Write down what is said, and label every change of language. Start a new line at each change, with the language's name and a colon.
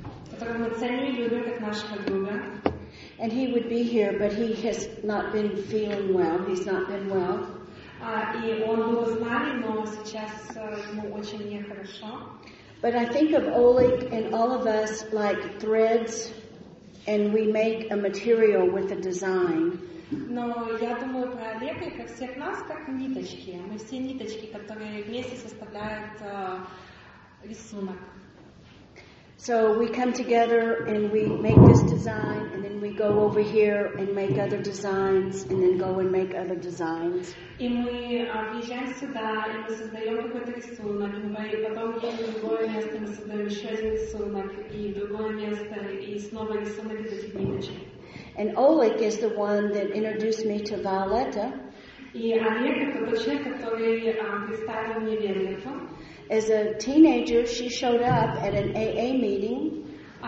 Russian: Который мы ценим и любим как нашего друга.
English: And he would be here, but he has not been feeling well. He's not been well.
Russian: И он был с нами, но сейчас ему очень нехорошо.
English: But I think of Oleg and all of us like threads, and we make a material with a design.
Russian: Но я думаю про Олега, как всех нас, как ниточки. Мы все ниточки, которые вместе составляют рисунок.
English: So we come together and we make this design, and then we go over here and make other designs, and then go and make other designs.
Russian: И мы приезжаем сюда, и мы создаем какой-то рисунок, мы потом едем в другое место, мы создаем еще один рисунок, и другое место, и снова рисунок из этих ниточек.
English: And Oleg is the one that introduced me to Violetta.
Russian: И Олег это тот человек, который представил мне Виолетту.
English: As a teenager, she showed up at an AA meeting.